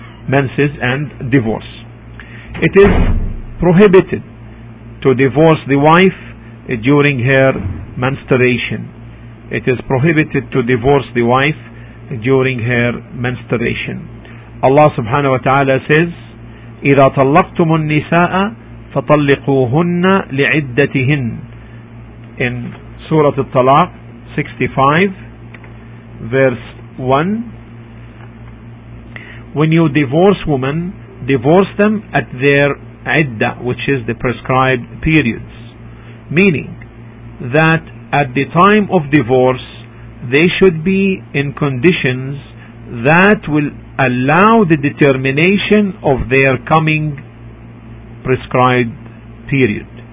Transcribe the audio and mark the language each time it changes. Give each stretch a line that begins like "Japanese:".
English: Menses and divorce. It is prohibited to divorce the wife during her menstruation. It is prohibited to divorce the wife during her menstruation. Allah subhanahu wa ta'ala says,
Arabic: إذا طلقتم النساء فطلقوهن لعدتهن.
English: In Surah At-Talaq 65 verse 1, when you divorce women, divorce them at their عدة, which is the prescribed periods, meaning that at the time of divorce they should be in conditions that will allow the determination of their coming prescribed period.